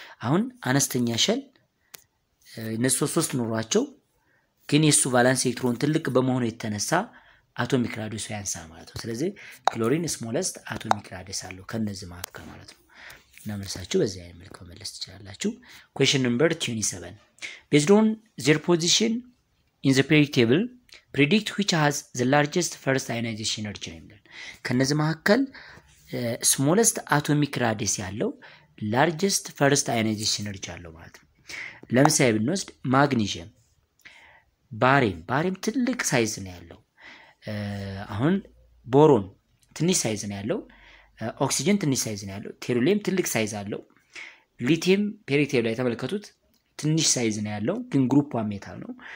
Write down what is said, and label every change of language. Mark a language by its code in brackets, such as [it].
[am] አሁን አነስተኛ ሼል እነሱ ሶስት ኖሯቸው ግን የሱ ቫለንስ ኤሌክትሮን ትልቅ በመሆኑ የተነሳ አቶሚክ ራዲስ ያንሳ ማለት ነው. ስለዚህ ክሎሪን ስሞለስት አቶሚክ ራዲስ አለው ከነዚህ መካከል ማለት ነው. እናመልሳችሁ በዚህ አይነት መልኩ መልስ ትችላላችሁ. [en] question number 27 based on their position in the periodic table predict which has the largest first ionization energy [am] ነው የሚለው. ከነዚህ መካከል smallest atomic radius ያለው largest first ionization energy አለው ማለት ነው. ለምሳሌ ብንወስድ magnesium ባሪየም ትልቅ ሳይዝ ነው ያለው. አሁን ቦሮን ትንሽ ሳይዝ ነው ያለው. ኦክሲጅን ትንሽ ሳይዝ ነው ያለው. ቴሩሊየም ትልቅ ሳይዝ አለው. ሊቲየም ፔሪቴብ ላይ ተመልከቱት ትንሽ ሳይዝ ነው ያለው ግን ግሩፕ 1 ሜታል ነው.